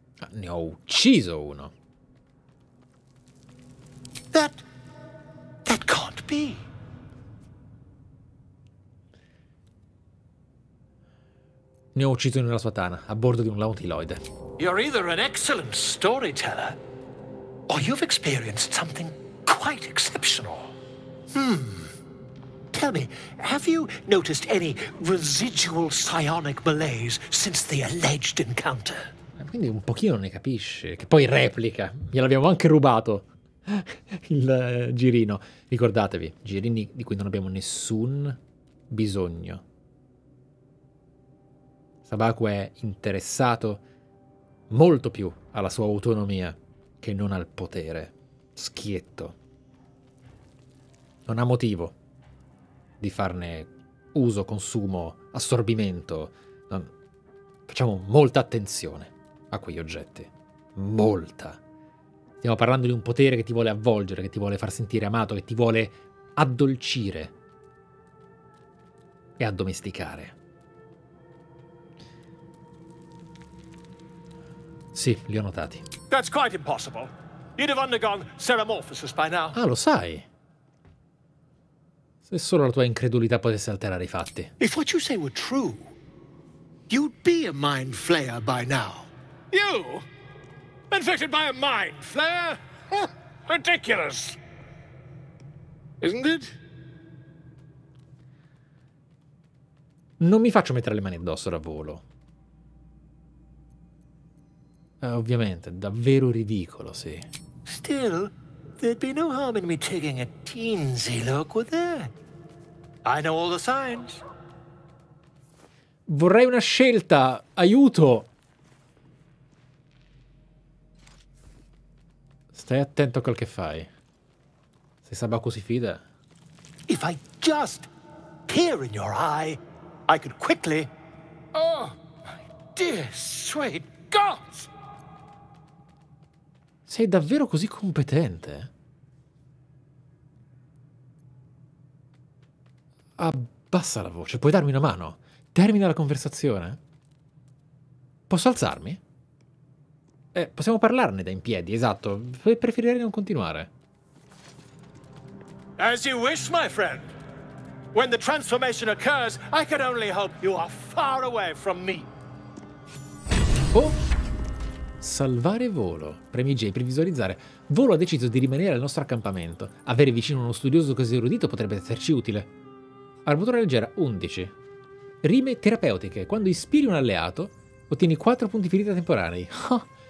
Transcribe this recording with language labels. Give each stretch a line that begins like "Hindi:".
Italian: Ne ho ucciso uno.
English: That can't be.
Italian: Ne ho ucciso nella sua tana, a bordo di un Lautiloide.
English: You're either an excellent storyteller, or you've experienced something quite exceptional. Tell me, have you noticed any residual psionic malaise since the alleged encounter?
Italian: Quindi un pochino ne capisce, che poi replica. Gliel'abbiamo anche rubato il girino. Ricordatevi, girini di cui non abbiamo nessun bisogno. Sabaku è interessato molto più alla sua autonomia che non al potere. Schietto. Non ha motivo di farne uso, consumo, assorbimento. Non... Facciamo molta attenzione a quegli oggetti. Molta. Stiamo parlando di un potere che ti vuole avvolgere, che ti vuole far sentire amato, che ti vuole addolcire e addomesticare. Sì, li ho notati.
English: That's quite impossible. You'd have undergone seramorphosis by now.
Italian: Ah, lo sai. Se solo la tua incredulità potesse alterare i fatti.
English: If what you say were true, you'd be a mind flayer by now. You? Infected by a mind flayer? Ridiculous. Isn't it?
Italian: Non mi faccio mettere le mani addosso da volo. Ovviamente, davvero ridicolo, sì.
English: Still, there'd be no harm in me taking a teensy look with her. I know all the signs.
Italian: Vorrei una scelta, aiuto! Stai attento a quel che fai. Se Sabaku si fida.
English: If I just peer in your eye, I could quickly... Oh, my dear sweet gods!
Italian: Sei davvero così competente? Abbassa la voce, puoi darmi una mano? Termina la conversazione? Posso alzarmi? Possiamo parlarne da in piedi, esatto. Preferirei non continuare.
English: As you wish, my friend. When the transformation occurs, I can only hope you are far away from me.
Italian: Oh! Salvare volo. Premi J per visualizzare. Volo ha deciso di rimanere al nostro accampamento. Avere vicino uno studioso così erudito potrebbe esserci utile. Armatura leggera, 11. Rime terapeutiche. Quando ispiri un alleato, ottieni 4 punti ferita temporanei. Oh.